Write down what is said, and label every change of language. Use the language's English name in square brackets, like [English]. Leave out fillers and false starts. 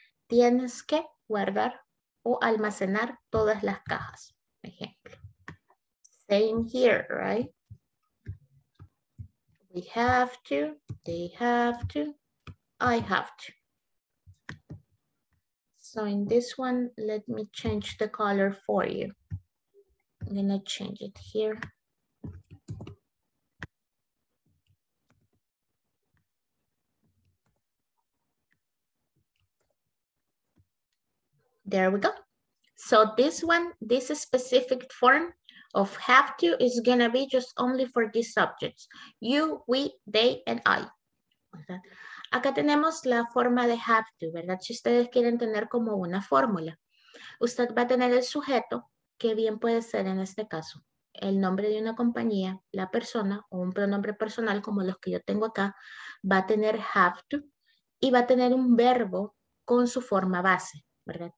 [Spanish] Tienes que guardar o almacenar todas las cajas. Ejemplo. [English] Same here, right? We have to, they have to, I have to. So in this one, let me change the color for you. I'm gonna change it here. There we go. So this one, this specific form of have to is gonna be just only for these subjects. You, we, they, and I. [Spanish] Acá tenemos la forma de have to, ¿verdad? Si ustedes quieren tener como una fórmula, usted va a tener el sujeto, que bien puede ser en este caso, el nombre de una compañía, la persona o un pronombre personal como los que yo tengo acá, va a tener have to y va a tener un verbo con su forma base, ¿verdad?